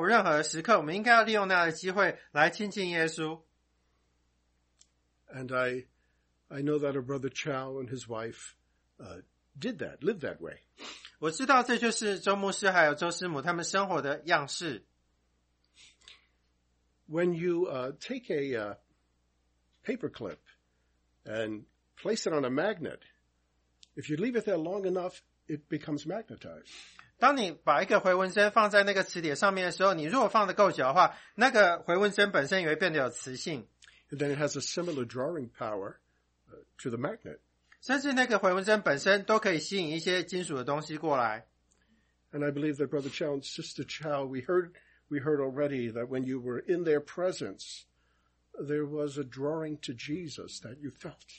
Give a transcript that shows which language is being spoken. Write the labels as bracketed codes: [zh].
[zh] 所以罗炳森师母的教导就是说，每当我任何时刻，我们应该要利用那样的机会来亲近耶稣。 [en] And I know that our brother Chow and his wife did that, lived that way. [zh] 我知道这就是周牧师还有周师母他们生活的样式。 [en] When you take a paperclip and place it on a magnet. If you leave it there long enough, it becomes magnetized. [zh] 当你把一个回纹针放在那个磁铁上面的时候，你如果放得够久的话，那个回纹针本身也会变得有磁性。 [en] And then it has a similar drawing power to the magnet. [zh] 甚至那个回纹针本身都可以吸引一些金属的东西过来。 [en] And I believe that Brother Chow and Sister Chow, we heard already that when you were in their presence, there was a drawing to Jesus that you felt.